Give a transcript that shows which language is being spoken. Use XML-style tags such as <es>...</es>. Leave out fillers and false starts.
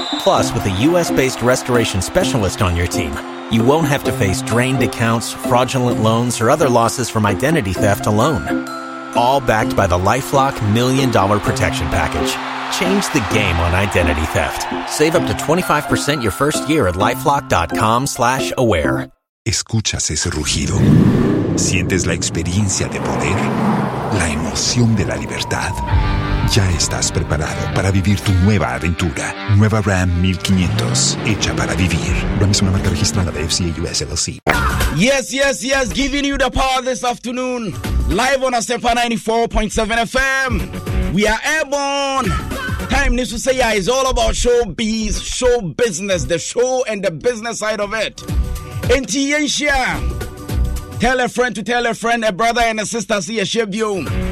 <en>Plus, with a U.S.-based restoration specialist on your team, you won't have to face drained accounts, fraudulent loans, or other losses from identity theft alone. All backed by the LifeLock Million Dollar Protection Package. Change the game on identity theft. Save up to 25% your first year at LifeLock.com/aware.</en> <es>¿Escuchas ese rugido? ¿Sientes la experiencia de poder? ¿La emoción de la libertad? Ya estás preparado para vivir tu nueva aventura. Nueva Ram 1500, hecha para vivir. Ram es una marca registrada de FCA US LLC.</es> <en>Yes, yes, yes, giving you the power this afternoon. Live on Asepa 94.7 FM. We are airborne. Time needs to say, yeah, it's all about showbiz, show business, the show and the business side of it. In Tiensia, tell a friend to tell a friend, a brother and a sister, see a shebio.</en>